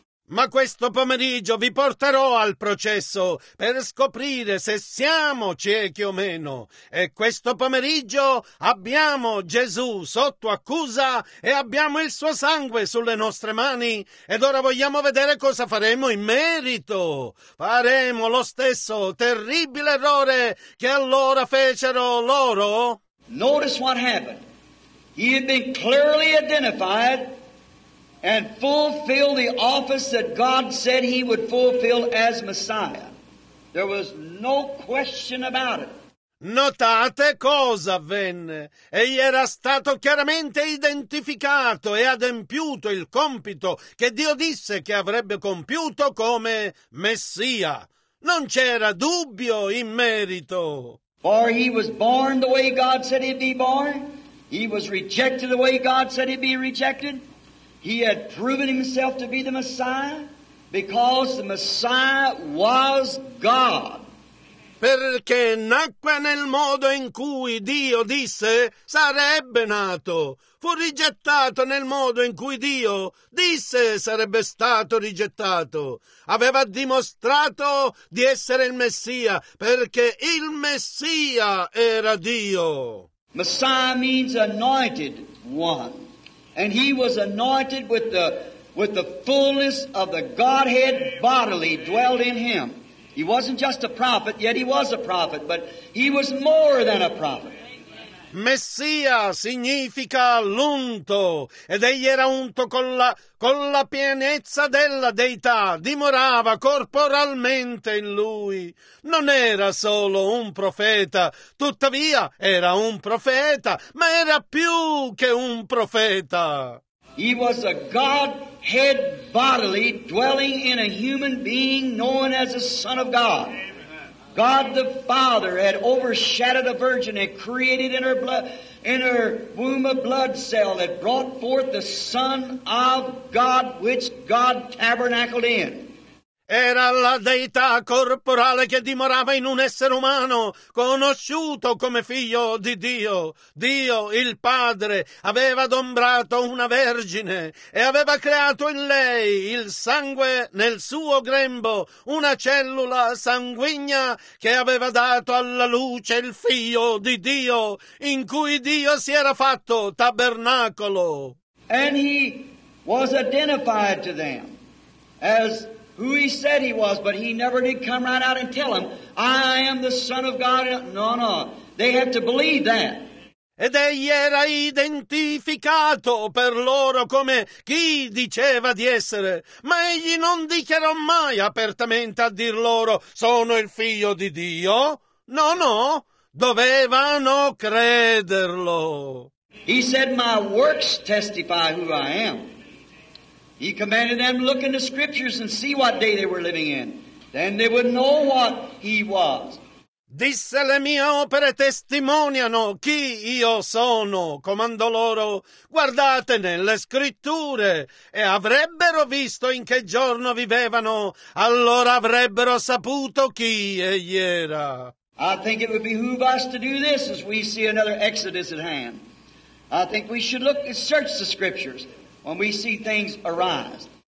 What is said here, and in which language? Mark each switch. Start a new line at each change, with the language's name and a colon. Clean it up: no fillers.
Italian: Ma questo pomeriggio vi porterò al processo per scoprire se siamo ciechi o meno. E questo pomeriggio abbiamo Gesù sotto accusa e abbiamo il suo sangue sulle nostre mani. Ed ora vogliamo vedere cosa faremo in merito. Faremo lo stesso terribile errore che allora fecero loro.
English: Notice what happened. He had been clearly identified and fulfill the office that God said he would fulfill as Messiah. There was no question about it.
Italian: Notate cosa avvenne. Egli era stato chiaramente identificato e adempiuto il compito che Dio disse che avrebbe compiuto come Messia. Non c'era dubbio in merito.
English: For he was born the way God said he'd be born. He was rejected the way God said he'd be rejected. He had proven himself to be the Messiah because the Messiah was God.
Italian: Perché nacque nel modo in cui Dio disse sarebbe nato. Fu rigettato nel modo in cui Dio disse sarebbe stato rigettato. Aveva dimostrato di essere il Messia perché il Messia era Dio.
English: Messiah means anointed one. And he was anointed with the fullness of the Godhead bodily dwelt in him. He wasn't just a prophet, yet he was a prophet, but he was more than a prophet.
Italian: Messia significa l'unto, ed egli era unto con la pienezza della Deità, dimorava corporalmente in lui. Non era solo un profeta, tuttavia era un profeta, ma era più che un profeta.
English: He was a Godhead bodily dwelling in a human being known as the Son of God. God the Father had overshadowed a virgin and created in her blood, in her womb a blood cell that brought forth the Son of God, which God tabernacled in.
Italian: Era la deità corporale che dimorava in un essere umano, conosciuto come figlio di Dio. Dio, il Padre, aveva adombrato una vergine e aveva creato in lei il sangue nel suo grembo, una cellula sanguigna che aveva dato alla luce il figlio di Dio, in cui Dio si era fatto tabernacolo.
English: And he was identified to them as who he said he was, but he never did come right out and tell them, I am the Son of God. No, no, they had to believe that.
Italian: Ed egli era identificato per loro come chi diceva di essere, ma egli non dichiarò mai apertamente a dir loro, sono il figlio di Dio. No, no, dovevano crederlo.
English: He said, my works testify who I am. He commanded them to look in the scriptures and see what day they were living in. Then they would know what he was.
Italian: Disse: le mie opere testimoniano chi io sono. Comandò loro: guardate nelle scritture, e avrebbero visto in che giorno vivevano, allora avrebbero saputo chi egli era.
English: I think it would behoove us to do this as we see another Exodus at hand. I think we should look and search the scriptures when we see things arise.